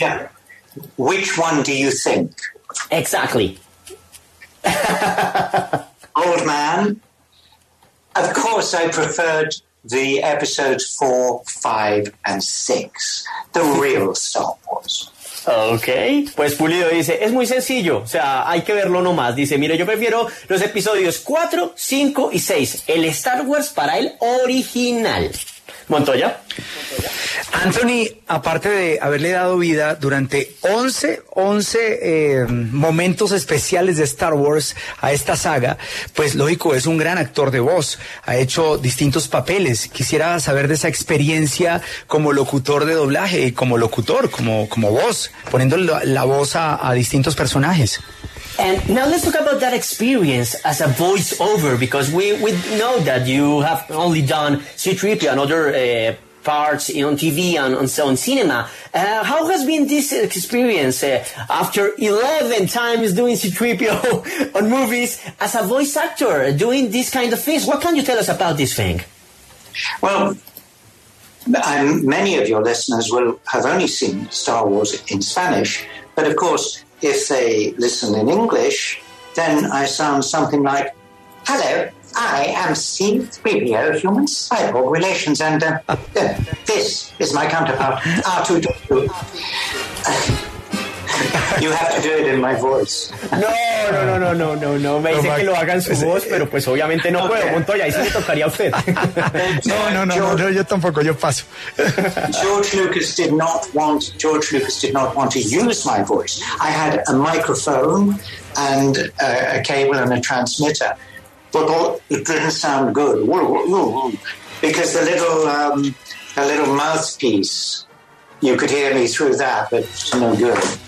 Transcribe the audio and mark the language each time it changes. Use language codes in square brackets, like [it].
[en] Yeah. Which one do you think? Exactly. Old man. Of course, I preferred the episodes 4, 5, and 6, the real Star Wars. [es] Okay, pues Pulido dice, es muy sencillo, o sea, hay que verlo nomás. Dice, mire, yo prefiero los episodios 4, 5 y 6, el Star Wars para el original. Montoya. Anthony, aparte de haberle dado vida durante 11 momentos especiales de Star Wars a esta saga, pues lógico, es un gran actor de voz, ha hecho distintos papeles. Quisiera saber de esa experiencia como locutor de doblaje, como locutor, como voz, poniendo la voz a distintos personajes. [en] And now let's talk about that experience as a voiceover, because we know that you have only done C-3PO and other parts on TV and on, so on cinema. How has been this experience after 11 times doing C-3PO on movies as a voice actor doing this kind of things? What can you tell us about this thing? Well, many of your listeners will have only seen Star Wars in Spanish, but of course, if they listen in English, then I sound something like, "Hello, I am C-3PO, human cyborg relations, and this is my counterpart, R2-D2. You have to do it in my voice. No. [es] Me dice que lo haga en su voz, pero pues obviamente no puedo, Montoya, ahí sí le tocaría a usted. No, yo tampoco, yo paso. [en] George Lucas did not want to use my voice. I had a microphone and a cable and a transmitter, but it didn't sound good. Because the little mouthpiece, you could hear me through that, but it's no good.